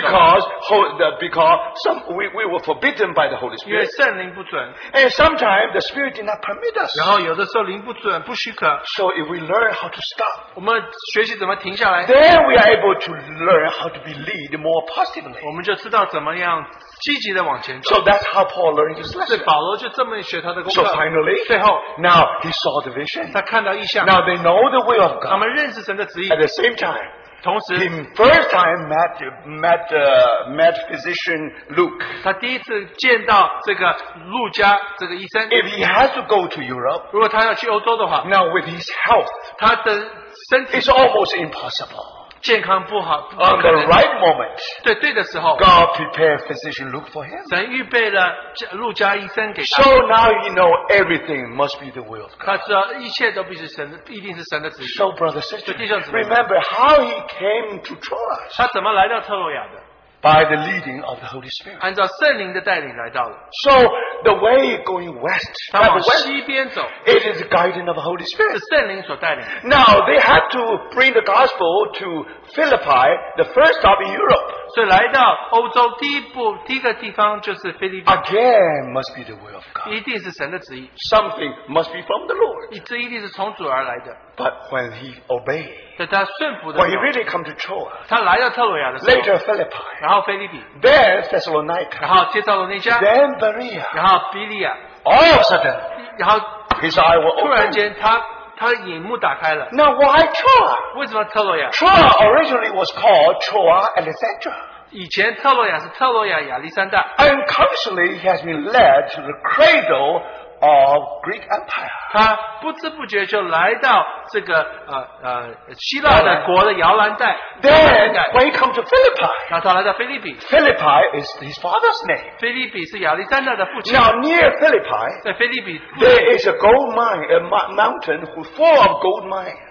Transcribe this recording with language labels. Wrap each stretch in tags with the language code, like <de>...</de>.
<en>because we were forbidden by the Holy Spirit.</en> <zh>因为圣灵不准,</zh> <en>and sometimes the Spirit did not permit us.</en> <zh>然后有的时候灵不准,</zh> <en>so if we learn how to stop,</en> <zh>我们学习怎么停下来,</zh> <en>then we are able to learn how to be led more positively.</en> <zh>我们就知道怎么样积极地往前走,</zh> <en>so that's how Paul learned his lesson.</en> <zh>保罗就这么学他的功课,</zh> <en>so finally,</en> <zh>最后,</zh> <en>now he saw the vision.</en> <zh>他看,</zh> <en>now they know the will of God. At the same time,</en> <zh>同时,</zh> <en>he first time met physician Luke.</en> <zh>他第一次见到这个陆家, 这个医生,</zh> <en>if he has to go to Europe,</en> <zh>如果他要去欧洲的话,</zh> <en>now with his health,</en> <zh>他的身体,</zh> <en>it's almost impossible.</en> <zh>健康不好,</zh> <en>on the right moment,</en> <zh>对, 对的时候,</zh> <en>God prepared physician Luke for him.</en> <zh>神预备了陆家医生给他,</zh> <en>so now you know everything must be the will of God.</en> <zh>他知道一切都必须神,</zh> <en>so brothers and sisters,</en> <zh>就弟兄姊妹,</zh> <en>remember how he came to Troas.</en> <zh>他怎么来到特洛亚的?</zh> <en>By the leading of the Holy Spirit.</en> <zh>按照圣灵的带领来到了,</zh> <en>so the way going west,</en> <zh>他往西边走,</zh> <en>it is the guiding of the Holy Spirit.</en> <zh>是圣灵所带领的,</zh> <en>now they had to bring the gospel to Philippi, the first stop in Europe.</en> <zh>所以来到欧洲第一步第一个地方就是菲律宾,</zh> <en>again must be the will of God.</en> <zh>一定是神的旨意,</zh> <en>something must be from the Lord.</en> <zh>这一定是从主而来的,</zh> <en>but when he obeyed,</en> <zh>但他顺服的时候,</zh> <en>when he really come to Troas,</en> <zh>他来到特罗亚的时候,</zh> <en>later Philippi,</en> <zh>然后菲律宾,</zh> <en>then Thessalonica,</en> <zh>然后帖撒罗尼迦,</zh> <en>then Berea,</en> <zh>然后比利亚,</zh> <en>all of a sudden,</en> <zh>然后,</zh> <en>his eye will open.</en> <zh>突然间他, 他眼目打开了,</zh> <en>now why Troas?</en> <zh>为什么特罗亚?</zh> <en>Troas originally was called Troas Alexandra.</en> <zh>以前特罗亚是特罗亚亚历山大,</zh> <en>and constantly he has been led to the cradle of Greek Empire.</en> <zh>他不知不觉就来到这个希腊的国的摇篮带,</zh> <en>then when he come to Philippi,</en> <zh>他到来到菲律比,</zh> <en>Philippi is his father's name.</en> <zh>菲律比是亚历山大的父亲,</zh> <en>now near Philippi,</en> <zh>在菲律比,</zh> <en>there is a gold mine, a mountain full of gold mine.</en>